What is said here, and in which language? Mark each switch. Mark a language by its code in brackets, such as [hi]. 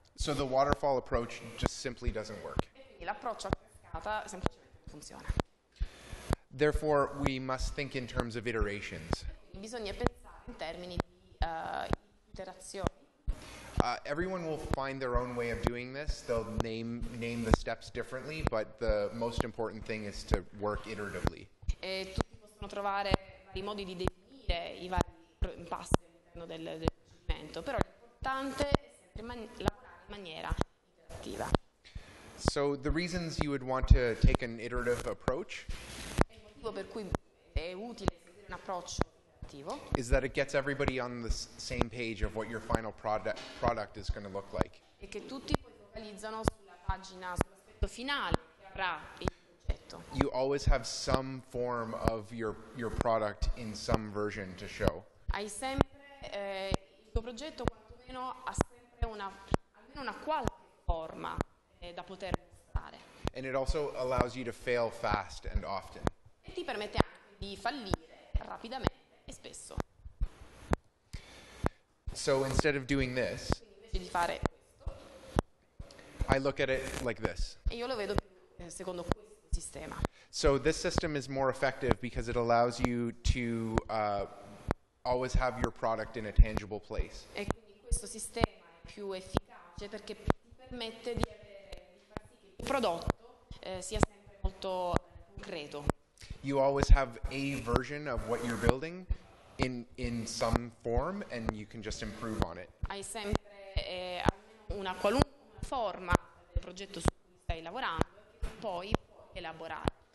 [en] So the waterfall approach just simply doesn't work. [it] L'approccio a cascata semplicemente non funziona. [en] Therefore, we must think in terms of iterations. [it] Bisogna pensare in termini di iterazioni. [en] Everyone will find their own way of doing this. They'll name the steps differently, but the most important thing is to work iteratively. [it] E tutti possono trovare vari modi di definire i vari passi all'interno del procedimento, però l'importante è sempre lavorare in maniera iterativa. [en] So the reasons you would want to take an iterative approach? [it] Per cui è utile un approccio attivo. [en] Is that it gets everybody on the same page of what your final product is going to look like. [it] E che tutti poi focalizzano sulla pagina, sull'aspetto finale che avrà il progetto. [en] You always have some form of your product in some version to show. [it] Hai sempre il tuo progetto quantomeno ha sempre almeno una qualche forma da poter mostrare. [en] And it also allows you to fail fast and often. [it] Ti permette anche di fallire rapidamente e spesso. [en] So instead of doing this, [it] invece di fare questo, [en] I look at it like this. [it] E io lo vedo secondo questo sistema. [en] So this system is more effective because it allows you to always have your product in a tangible place. [it] E quindi questo sistema è più efficace perché ti permette di far sì che il prodotto sia sempre molto concreto. [en] You always have a version of what you're building in some form, and you can just improve on it. [it] Hai sempre una qualunque forma del progetto su cui stai lavorando, poi puoi elaborare.